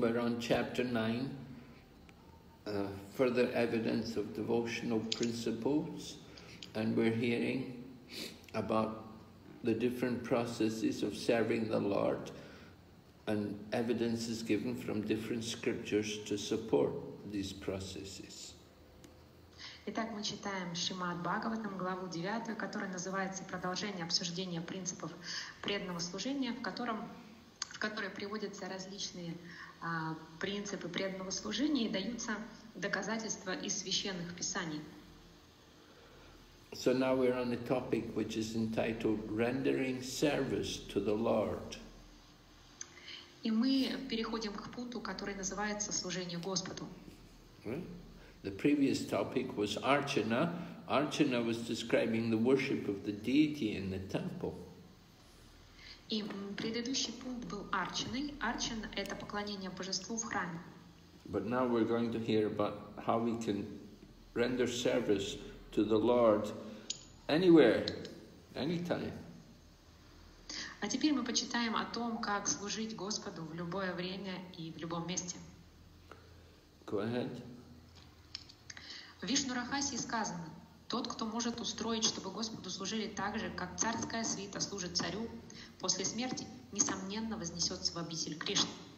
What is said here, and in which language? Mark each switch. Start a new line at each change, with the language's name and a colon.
English: We're on chapter 9, Further Evidence of Devotional Principles. And we're hearing about the different processes of serving the Lord, and evidence is given from different scriptures to support these processes.
Russian: Итак, мы читаем Шримад Бхагаватам, главу 9, которая называется «Продолжение обсуждения принципов преданного служения», в которой приводятся различные принципы преданного служения и даются доказательства из священных писаний.
English: So now we're on a topic which is entitled Rendering Service to the Lord.
Russian: И мы переходим к пункту, который называется служение Господу.
English: The previous topic was Archana. Archana was describing the worship of the deity in the temple.
Russian: И предыдущий пункт был Арчаной. Арчана — это поклонение божеству в храме.
English: But now we're going to hear about how we can render service to the Lord anywhere, anytime.
Russian: А теперь мы почитаем о том, как служить Господу в любое время и в любом месте.
English: Go ahead.
Russian: В Вишну-Рахасе сказано: «Тот, кто может устроить, чтобы Господу служили так же, как царская свита служит царю, после смерти, несомненно, вознесется в обитель Кришны».